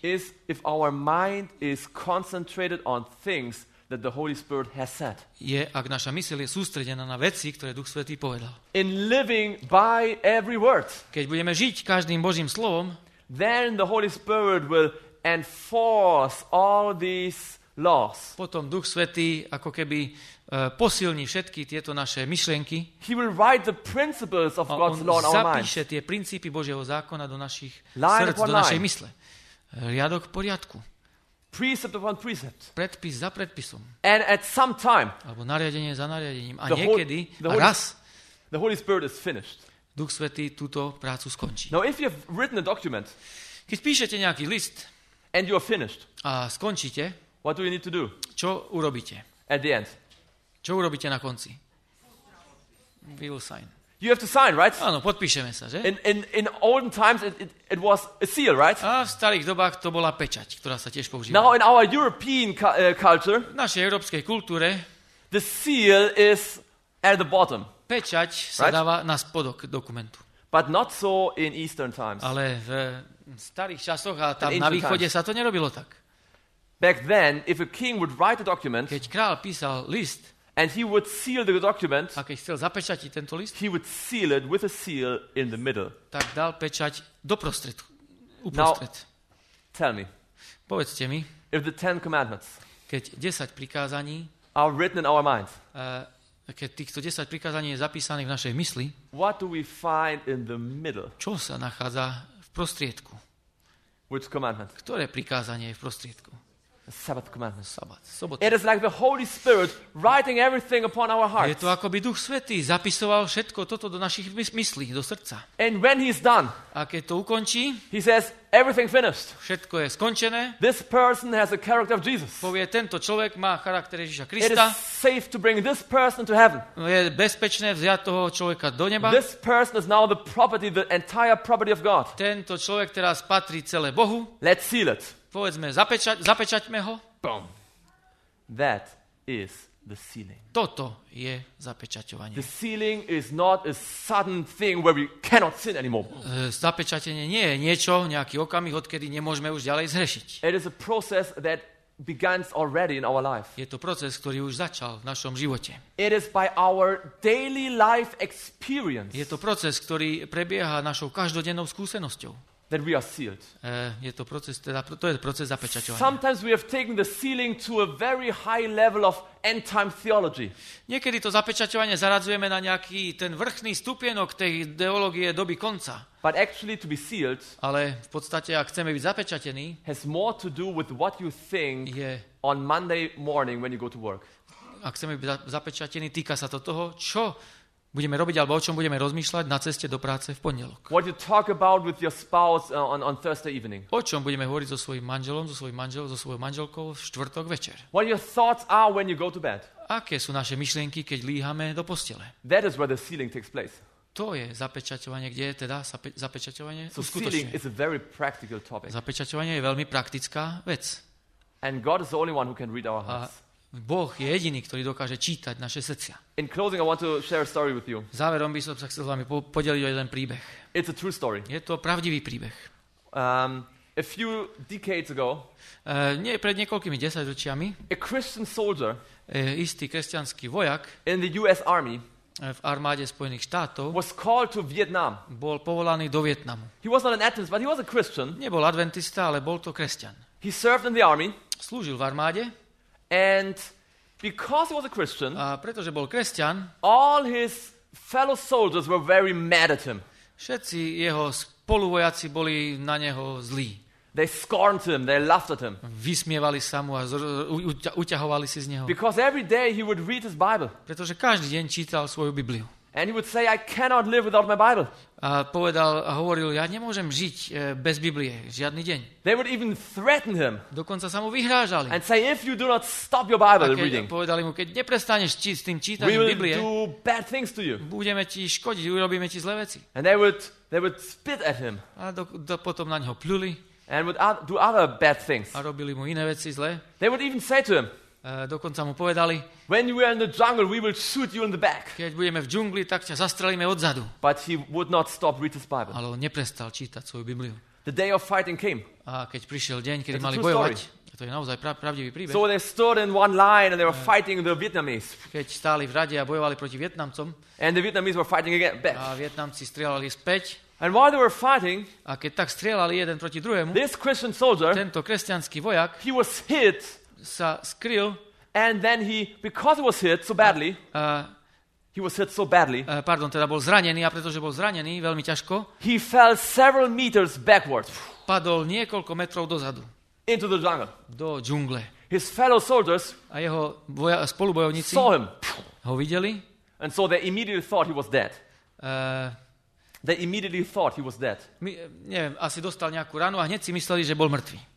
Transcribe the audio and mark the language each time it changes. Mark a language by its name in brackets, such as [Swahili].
[English] is if our mind is concentrated on things that the Holy Spirit has said. [Slovak] Je, ak naša myseľ je sústredená na veci, ktoré Duch Svätý povedal. [English] In living by every word. [Slovak] Keď budeme žiť každým Božím slovom, [English] then the Holy Spirit will enforce all these laws. [Slovak] Potom Duch Svätý ako keby posilní všetky tieto naše myšlienky. [English] He will write the principles of God's law in our minds. [Slovak] On zapíše tie princípy Božieho zákona do našich srdc, do našej mysle. Riadok po riadku. [English] Precept upon precept. [Slovak] Predpis za predpisom. [English] And at some time. [Slovak] Alebo nariadenie za nariadením. A niekedy, raz. [English] The Holy Spirit is finished. [Slovak] Duch Svätý túto prácu skončí. [English] Now if you've written a document. [Slovak] Keď píšete nejaký list. [English] And you are finished. [Slovak] A skončíte. [English] What do you need to do? [Slovak] Čo urobíte? [English] At the end. [Slovak] Čo urobíte na konci? [English] We will sign. You have to sign, right? [Slovak] Áno, podpíšeme sa, že? [English] In olden times it was a seal, right? [Slovak] A v starých dobách to bola pečať, ktorá sa tiež používala. [English] Now in our European culture, [Slovak] v našej európskej kultúre, [English] the seal is at the bottom. [Slovak] Pečať sa dáva na spodok dokumentu. [English] But not so in Eastern times. [Slovak] Ale v starých časoch a tam na východe sa to nerobilo tak. [English] Back then, if a king would write a document, [Slovak] keď král písal list, [English] and he would seal the document, [Slovak] a keď chcel zapečatiť tento list, [English] he would seal it with a seal in the middle. [Slovak] Tak dal pečať doprostred, uprostred. [English] Tell me. [Slovak] Povedzte mi. [English] If the Ten Commandments, [Slovak] keď 10 prikázaní, [English] are written in our minds, [Slovak] keď týchto 10 prikázaní je zapísaných v našej mysli, [English] what do we find in the middle? [Slovak] Čo sa nachádza v prostriedku? [English] Which commandment? [Slovak] Ktoré prikázanie je v prostriedku? [English] Sabbath commandment. [Slovak] Sabbat. [English] It is like the Holy Spirit writing everything upon our hearts. [Slovak] Je to ako by Duch Svätý zapisoval všetko toto do našich myslí, do srdca. [English] And when he's done, [Slovak] a keď to ukončí, [English] he says everything finished. [Slovak] Všetko je skončené. [English] This person has the character of Jesus. [Slovak] Povie, tento človek má charakter Ježiša Krista. [English] It is safe to bring this person to heaven. [Slovak] Je bezpečné vziať toho človeka do neba. [English] This person is now the property, the entire property of God. [Slovak] Tento človek teraz patrí celé Bohu. [English] Let's seal it. [Slovak] Povedzme, zapečaťme ho. [English] Boom. That is the sealing. [Slovak] Toto je zapečaťovanie. [English] The sealing is not a sudden thing where we cannot sin anymore. [Slovak] Zapečatenie nie je niečo, nejaký okamih, odkedy nemôžeme už ďalej zhrešiť. [English] It is a process that begins already in our life. [Slovak] Je to proces, ktorý už začal v našom živote. [English] It is by our daily life experience. [Slovak] Je to proces, ktorý prebieha našou každodennou skúsenosťou. [English] That we are sealed. [Slovak] Je to proces, teda to je proces zapečaťovania. [English] Sometimes we have taken the sealing to a very high level of end time theology. [Slovak] Niekedy to zapečaťovanie zaradzujeme na nejaký ten vrchný stupienok tej ideológie doby konca. [English] But actually to be sealed, [Slovak] ale v podstate ak chceme byť zapečatení, [English] has more to do with what you think [Slovak] je, [English] on Monday morning when you go to work. [Slovak] Ak chceme byť zapečatení, týka sa to toho, čo budeme robiť alebo o čom budeme rozmýšľať na ceste do práce v pondelok. [English] What you talk about with your spouse on Thursday evening? [Slovak] O čom budeme hovoriť so svojím manželom, so svojou manželkou v štvrtok večer? [English] What your thoughts are when you go to bed? [Slovak] Aké sú naše myšlienky, keď líhame do postele? [English] That is where the sealing takes place. [Slovak] To je zapečaťovanie, kde je teda zapečaťovanie? [English] So sealing is a very practical topic. [Slovak] Zapečaťovanie je veľmi praktická vec. [English] And God is the only one who can read our hearts. [Slovak] Boh je jediný, ktorý dokáže čítať naše srdcia. [English] In closing, I want to share a story with you. [Slovak] Záverom by som sa chcel s vami podeliť o jeden príbeh. [English] It's a true story. [Slovak] Je to pravdivý príbeh. [English] A few decades ago, [Slovak] nie pred niekoľkými desaťročiami, [English] a Christian soldier, [Slovak] istý kresťanský vojak [English] in the US Army, [Slovak] v armáde Spojených štátov, [English] was called to Vietnam. [Slovak] Bol povolaný do Vietnamu. [English] He was not an Adventist, but he was a Christian. [Slovak] Nebol adventista, ale bol to kresťan. [English] He served in the army. [Slovak] Slúžil v armáde. [English] And because he was a Christian, [Slovak] a pretože bol kresťan, [English] all his fellow soldiers were very mad at him. [Slovak] Všetci jeho spoluvojaci boli na neho zlí. [English] They scorned him, they laughed at him. [Slovak] Vysmievali sa mu a uťahovali si z neho. [English] Because every day he would read his Bible. [Slovak] Pretože každý deň čítal svoju Bibliu. [English] And he would say, I cannot live without my Bible. [Slovak] A povedal a hovoril, ja nemôžem žiť bez Biblie, žiadny deň. [English] They would even threaten him. [Slovak] Dokonca sa mu vyhrážali. [English] And say, if you do not stop your Bible reading. [Slovak] Povedali mu, keď neprestaneš s tým čítaním Biblie, [English] we will do bad things to you. [Slovak] Budeme ti škodiť, urobíme ti zlé veci. [English] And they would spit at him. [Slovak] A potom na neho pľuli. [English] And would do other bad things. [Slovak] A robili mu iné veci zlé. [English] They would even say to him. [Slovak] Dokonca mu povedali, [English] when you are in the jungle, we will shoot you in the back. [Slovak] Keď budeme v džungli, tak ťa zastrelíme odzadu. [English] But he would not stop read his Bible. [Slovak] Ale on neprestal čítať svoju Bibliu. [English] The day of fighting came. [Slovak] A keď prišiel deň, kedy mali bojovať, to je naozaj pravdivý príbeh. [English] So they stood in one line and they were fighting the Vietnamese. [Slovak] Keď stáli v rade a bojovali proti Vietnamcom. [English] And the Vietnamese were fighting again back. [Slovak] A Vietnamci strieľali späť. [English] And while they were fighting, [Slovak] a keď tak strieľali jeden proti druhému, [English] this Christian soldier, [Slovak] tento kresťanský vojak, [English] he was hit. [Slovak] Sa skryl, [English] and then he, because he was hit so badly, [Slovak] teda bol zranený, a pretože bol zranený veľmi ťažko, [English] he fell several meters backwards, [Slovak] padol niekoľko metrov dozadu, [English] into the jungle, [Slovak] do džungle. [English] His fellow soldiers, [Slovak] a jeho spolubojovníci, [English] saw him, [Slovak] ho videli, [English] and so they immediately thought he was dead. They immediately thought he was dead. [Slovak] Neviem, asi dostal nejakú ranu a hneď si mysleli, že bol mŕtvy.